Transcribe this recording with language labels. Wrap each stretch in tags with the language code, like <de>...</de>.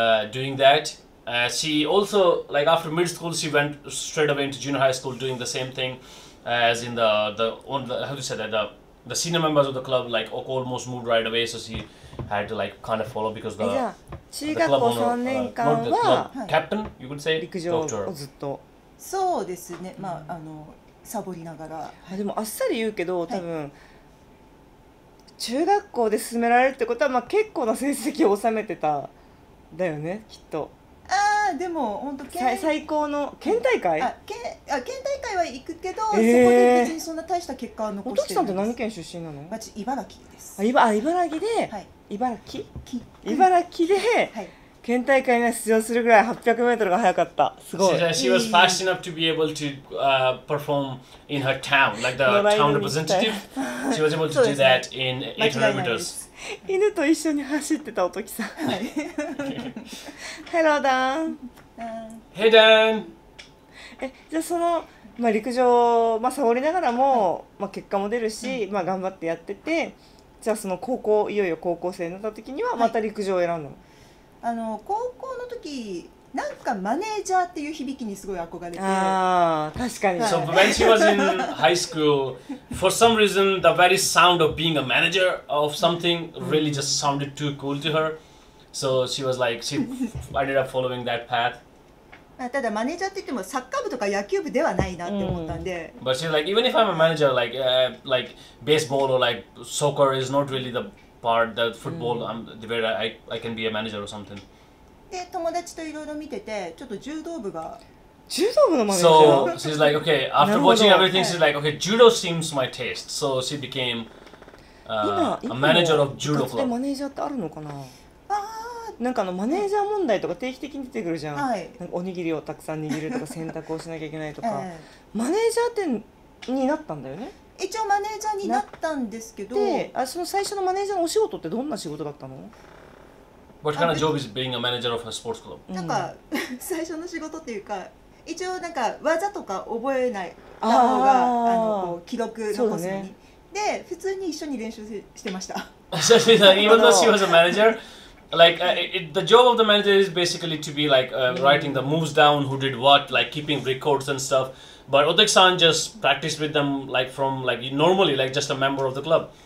<en>Doing that, she also like after middle school she went straight away into junior high school doing the same thing as in the on the, how do you say that, the senior members of the club like almost moved right away, so she had to like kind of follow because the</en> <ja>中学校3年間は陸上をずっと、そうですね、まあ、あのサボりながら、はい、でもあっさり言うけど多分、はい、中学校で進められるってことは、まあ、結構な成績を収めてただよねきっと。あ、でも本当最高の県大会、県大会は行くけど、そこで別にそんな大した結果は残してる。おときさんって何県出身なの？まあ、茨城です。茨城で、はい、茨城で県大会に出場するぐらい 800m が速かった。すごい。</ja> <en>She was fast enough to be able to perform in her town, like the town representative. She was able to do that in 800 meters.</en> <ja>犬と一緒に走ってたおときさん。はい。</ja> <en>Hello, Dan. Hey, Dan.</en> <ja>じゃあその、まあ、陸上、まあ、サボりながらも、まあ、結果も出るし、まあ、頑張ってやってて、じゃあその高校、いよいよ高校生になった時にはまた陸上を選んだの？はい、あの高校の時なんかマネージャーっていう響きにすごい憧れて。あ、確かに。</ja> <en>So when she was in high school, for some reason the very sound of being a manager of something really just sounded too cool to her. So she was like, she ended up following that path.</en> <ja>ただマネージャーって言ってもサッカー部とか野球部ではないなって思ったんで。</ja> <en>But she's like, even if I'm a manager, like, like baseball or like soccer is not really the part, the football, where I can be a manager or something.</en> <ja>で、友達といろいろ見てて、ちょっと柔道部が。柔道部のマネージャー。</ja> <en>So she's like, okay, after watching everything, she's like, okay, judo seems my taste. So she became a manager of judo club.</en> <ja>今でマネージャーってあるのかな。なんかあのマネージャー問題とか定期的に出てくるじゃん。はい、なんかおにぎりをたくさん握るとか洗濯をしなきゃいけないとか。マネージャーってになったんだよね。一応マネージャーになったんですけど。で、その最初のマネージャーのお仕事ってどんな仕事だったの？</ja> <en>What kind of job is being a manager of a sports club?</en> <ja>なんか最初の仕事っていうか、一応なんか技とか覚えない方が記録残すのに。で、普通に一緒に練習してました。</ja> <en>Even though she was a manager? Like, the job of the manager is basically to be like writing the moves down, who did what, like keeping records and stuff. But Otek-san just practiced with them like from like normally, like just a member of the club.</en>